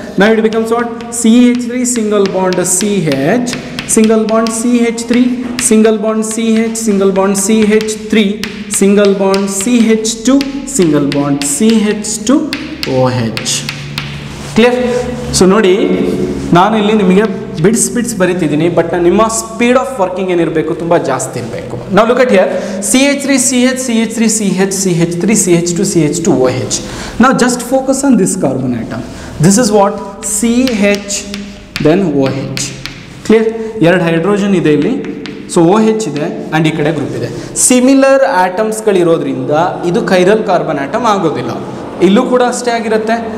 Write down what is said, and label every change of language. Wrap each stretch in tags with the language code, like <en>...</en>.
<en>ನಾವು it becomes what CH3 single bond CH, single bond CH3, single bond CH, single bond CH3, single bond CH2, single bond CH2 OH. Clear?</en> <kn>So ನೋಡಿ, ನಾನು ಇಲ್ಲಿ ನಿಮಗೆ bits ಬರಿತಿದ್ದೀನಿ, but ನಿಮ್ಮ</kn> <en>speed of working</en> <kn>ಏನಿರಬೇಕು ತುಂಬ ಜಾಸ್ತಿ ಇರಬೇಕು.</kn> <en>ನಾವು look at here, CH3 CH CH CH3 CH2 CH2 OH. ನಾವು just focus on this carbon atom, this is what CH then OH. Clear?</en> <kn>ಎರಡು ಹೈಡ್ರೋಜನ್ ಇದೆ ಇಲ್ಲಿ, ಸೊ OH ಇದೆ ಆ್ಯಂಡ್ ಈ ಕಡೆ ಗ್ರೂಪ್ ಇದೆ. ಸಿಮಿಲರ್ ಆ್ಯಟಮ್ಸ್ಗಳಿರೋದ್ರಿಂದ ಇದು ಕೈರಲ್ ಕಾರ್ಬನ್ ಆಟಮ್ ಆಗೋದಿಲ್ಲ, ಇಲ್ಲೂ ಕೂಡ ಅಷ್ಟೇ ಆಗಿರುತ್ತೆ.</kn>